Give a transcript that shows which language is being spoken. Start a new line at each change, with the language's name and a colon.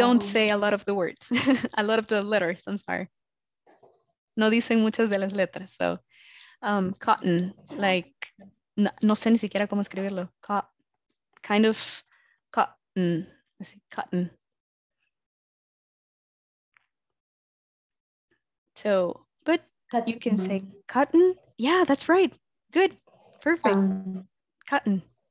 English: Don't say a lot of the words, a lot of the letters. I'm sorry.
Spanish: No dicen muchas de las letras,
English: so, cotton, like,
Spanish: no, no sé ni siquiera cómo escribirlo,
English: kind of cotton,
Spanish: así, cotton.
English: So, but cotton. You can say cotton, yeah, that's right, good, perfect, cotton.